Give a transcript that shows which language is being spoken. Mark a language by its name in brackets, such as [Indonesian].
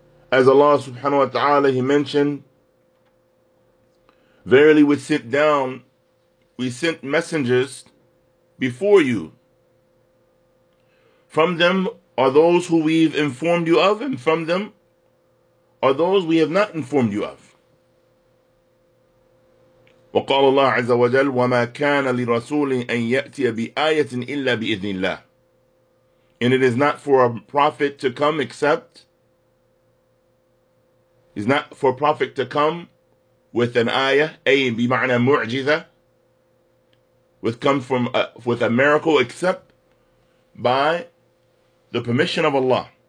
[English] As Allah subhanahu wa ta'ala, he mentioned, verily we sent messengers before you. From them are those who we've informed you of, and from them are those we have not informed you of. [Arabic] وقال الله عز وجل وما كان لرسول أن يأتي بآية إلا بإذن الله. [English] And it is not for a prophet to come except, it's not for a prophet to come with an ayah, [Arabic] أي بمعنى معجزة, [English] with come from with a miracle except by the permission of Allah.